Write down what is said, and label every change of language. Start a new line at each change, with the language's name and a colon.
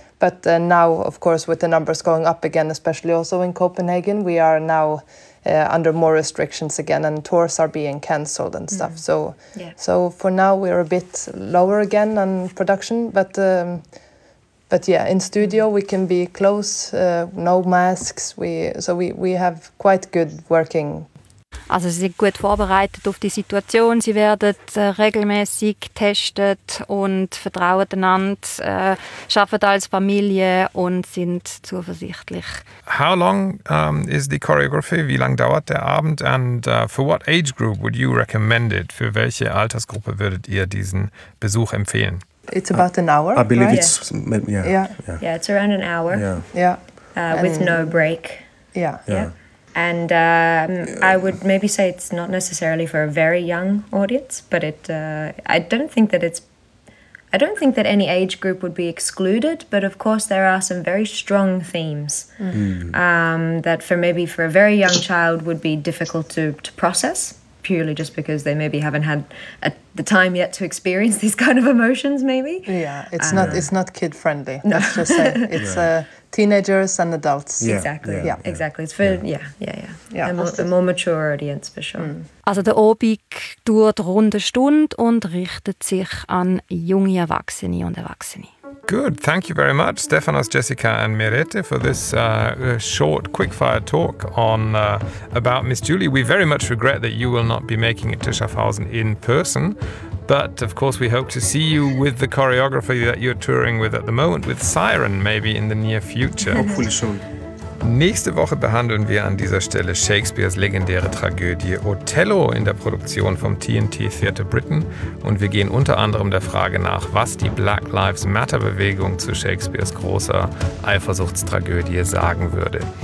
English: But now, of course, with the numbers going up again, especially also in Copenhagen, we are now under more restrictions again, and tours are being cancelled and stuff. Mm. So for now, we're a bit lower again on production. But yeah, in studio, we can be close, no masks. So we have quite good working.
German: Also sie sind gut vorbereitet auf die Situation, sie werden regelmäßig getestet und vertrauen einander, arbeiten als Familie und sind zuversichtlich.
English: How long is the choreography?
German: Wie lange dauert der Abend?
English: And for what age group would you recommend it?
German: Für welche Altersgruppe würdet ihr diesen Besuch empfehlen?
English: It's about an hour. I believe right? It's yeah. It's around an hour. Yeah. With no break. Yeah. And I would maybe say it's not necessarily for a very young audience, but I don't think that any age group would be excluded, but of course there are some very strong themes that for a very young child would be difficult to process, purely just because they maybe haven't had the time yet to experience these kind of emotions, maybe. Yeah, it's not kid-friendly. No. Let's just say it's a... Teenagers and adults. Yeah, exactly. It's for, a more mature audience, for sure.
German: Also der Abend dauert rund eine Stunde und richtet sich an junge Erwachsene und Erwachsene.
English: Good, thank you very much, Stefanos, Jessica and Merete, for this short quickfire talk on about Miss Julie. We very much regret that you will not be making it to Schaffhausen in person. But, of course, we hope to see you with the choreography that you're touring with at the moment, with Siren, maybe in the near future. Hopefully soon.
German: Nächste Woche behandeln wir an dieser Stelle Shakespeares legendäre Tragödie Othello in der Produktion vom TNT Theatre Britain. Und wir gehen unter anderem der Frage nach, was die Black Lives Matter-Bewegung zu Shakespeares großer Eifersuchtstragödie sagen würde.